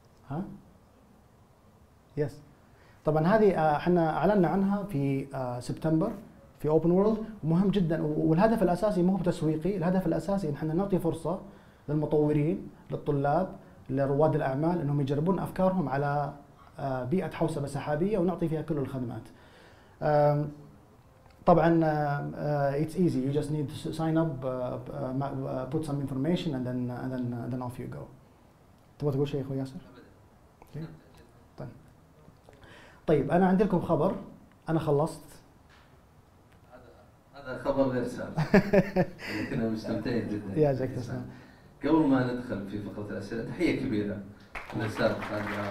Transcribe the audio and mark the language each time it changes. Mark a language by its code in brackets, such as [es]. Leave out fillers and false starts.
[ar] ها؟ يس. طبعا هذه احنا اعلنا عنها في سبتمبر في اوبن وورلد، ومهم جدا، والهدف الاساسي مو تسويقي، الهدف الاساسي ان احنا نعطي فرصة للمطورين، للطلاب، لرواد الاعمال انهم يجربون افكارهم على بيئة حوسبة سحابية ونعطي فيها كل الخدمات. [en] طبعا it's easy, you just need to sign up, put some information and then off you go. [ar] تبغى تقول شيء اخوي ياسر؟ طيب انا عندي لكم خبر، انا خلصت. هذا خبر غير سهل، كنا مستمتعين جدا. يا جزاك الله. قبل ما ندخل في فقره الاسئله، تحيه كبيره للاستاذ خالد.